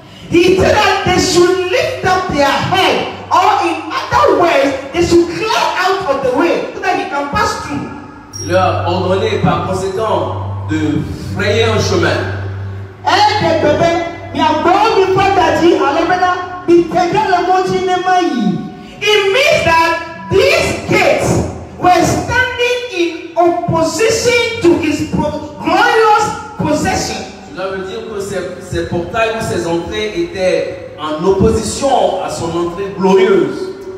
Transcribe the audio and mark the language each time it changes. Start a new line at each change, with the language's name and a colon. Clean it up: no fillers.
English: He said that they should lift up their head, or in other words, they should clear out of the way so that he can pass through.
French: Il leur a ordonné par conséquent de frayer un chemin.
English: It means that these gates were standing in opposition to his glorious possession.
French: Cela veut dire que ces portails ou ses entrées étaient en opposition à son entrée glorieuse.